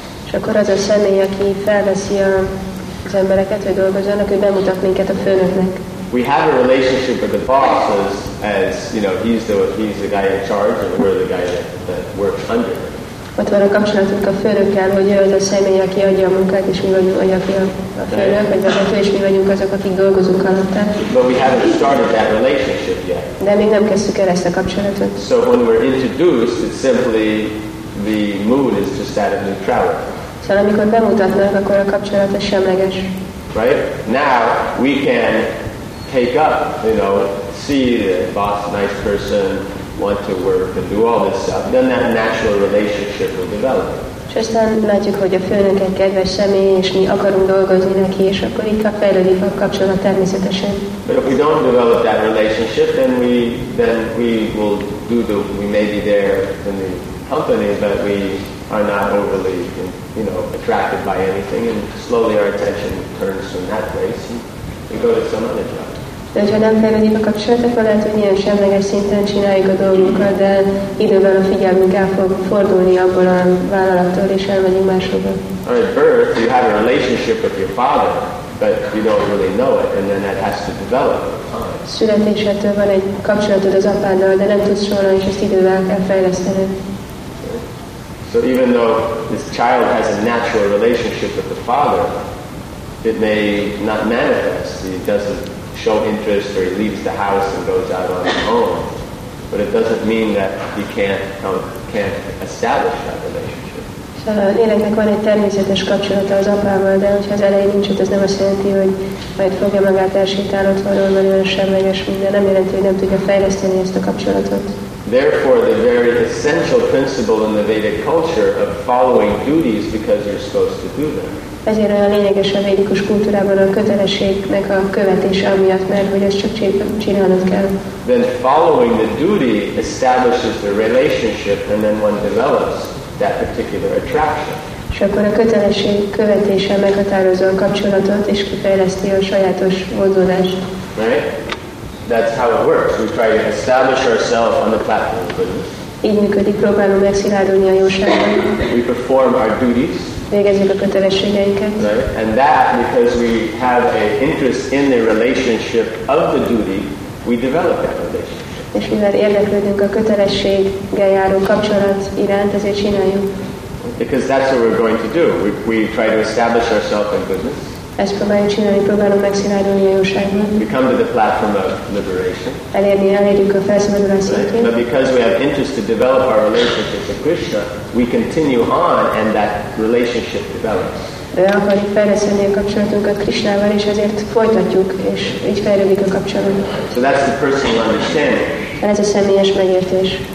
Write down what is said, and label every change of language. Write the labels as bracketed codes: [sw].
[hu] És akkor az a személy, aki felveszi az embereket, hogy dolgozzanak, ő bemutat minket a főnöknek. [en] we have a relationship with the boss as you know, he's the guy in charge, and we're the guy that works under. [hu] Ott van a kapcsolatunk a főnökkel, hogy ő az a személy, aki adja a munkát, és mi vagyunk, vagy aki a főnök, vagy vezető, és mi vagyunk azok, akik dolgozunk alatta. [en] But we haven't started that relationship yet. [hu] De még nem kezdtük el ezt a kapcsolatot. [en] So when we're introduced, it's simply the mood is just that of neutrality. [hu] Szóval amikor bemutatnak, akkor a kapcsolat a semleges. [en] Right? Now we can take up, you know, see the boss, nice person, want to work and do all this stuff, then that natural relationship will develop. [hu] Aztán látjuk, hogy a főnök egy kedves személy, és mi akarunk dolgozni neki, és akkor itt a fejlődik a kapcsolat természetesen. [en] But if we don't develop that relationship, then we will do the, we may be there in the company, but we are not overly, you know, attracted by anything, and slowly our attention turns from that place, and we go to some other job. [hu] De hogyha nem fejlődik a kapcsolat, akkor lehet, hogy ilyen semleges szinten csináljuk a dolgunkat, de idővel a figyelmünk el fog fordulni abból a vállalattól, és elmegyünk máshova. [en] At birth, you have a relationship with your father, but you don't really know it, and then that has to develop. [hu] Születésedtől van egy kapcsolatod az apáddal, de nem tudsz róla, és ezt idővel kell fejlesztened. [en] So even though this child has a natural relationship with the father, it may not manifest. It doesn't show interest, or he leaves the house and goes out on his own, but it doesn't mean that he can't establish that relationship. [hu] So, életnek van egy természetes kapcsolata az apával, de hogyha az elején nincs, ez nem azt jelenti, hogy majd fogja magát elsétálni otthonról, mert olyan semleges minden, nem jelenti, hogy nem tudja fejleszteni ezt a kapcsolatot. [en] Therefore, the very essential principle in the Vedic culture of following duties because you're supposed to do them. [hu] Ezért olyan lényeges a védikus kultúrában a kötelességnek a követése amiatt, mert hogy ezt csak csinálnod kell. [en] Then following the duty establishes the relationship, and then one develops that particular attraction. [hu] És akkor a kötelesség követése meghatározza a kapcsolatot, és kifejleszti a sajátos vonzódást. [en] Right? That's how it works. We try to establish ourselves on the platform of goodness. [hu] Így működik, próbálunk megszilárdulni a jóságban. [en] We perform our duties. [hu] Végezzük a kötelességeinket. [en] Right? And that, because we have an interest in the relationship of the duty, we develop that relationship. [hu] És mivel érdeklődünk a kötelességgel járó kapcsolat iránt, ezért csináljuk. [en] Because that's what we're going to do. We try to establish ourselves in goodness. [hu] Ezt próbáljuk csinálni, próbálunk megszilárdulni a jóságban. [en] We come to the platform of liberation. [hu] Elérjük a felszabadulás szintjét. [en] Right? But because we have interest to develop our relationship with Krishna, we continue on and that relationship develops. [hu] De akarjuk fejleszteni a kapcsolatunkat Krishnával, és ezért folytatjuk, és így fejlődik a kapcsolat. [en] So that's the personal understanding. [hu] Ez a személyes megértés.